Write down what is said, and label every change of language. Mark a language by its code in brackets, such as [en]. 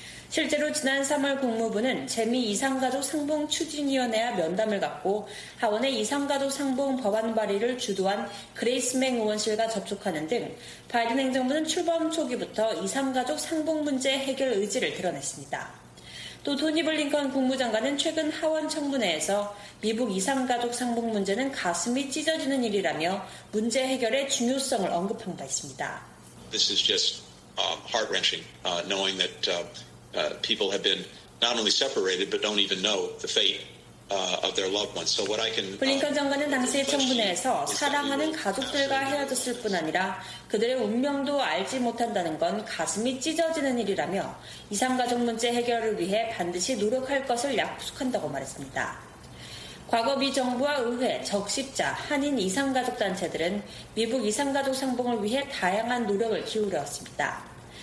[ko] 실제로 지난 3월 국무부는 재미 이산가족 상봉 추진위원회와 면담을 갖고 하원의 이산가족 상봉 법안 발의를 주도한 그레이스 맥 의원실과 접촉하는 등 바이든 행정부는 출범 초기부터 이산가족 상봉 문제 해결 의지를 드러냈습니다. 또 토니 블링컨 국무장관은 최근 하원 청문회에서 미북 이산가족 상봉 문제는 가슴이 찢어지는 일이라며 문제 해결의 중요성을 언급한 바 있습니다. [en] This is just heart-wrenching knowing that people have been not only separated but don't even know the fate of their loved ones. So what I can [ko] 블링컨 장관은 당시의 청문회에서 사랑하는 가족들과 헤어졌을 뿐 아니라 그들의 운명도 알지 못한다는 건 가슴이 찢어지는 일이라며 이산가족 문제 해결을 위해 반드시 노력할 것을 약속한다고 말했습니다. 과거 미 정부와 의회, 적십자, 한인 이산가족 단체들은 미북 이산가족 상봉을 위해 다양한 노력을 기울여왔습니다.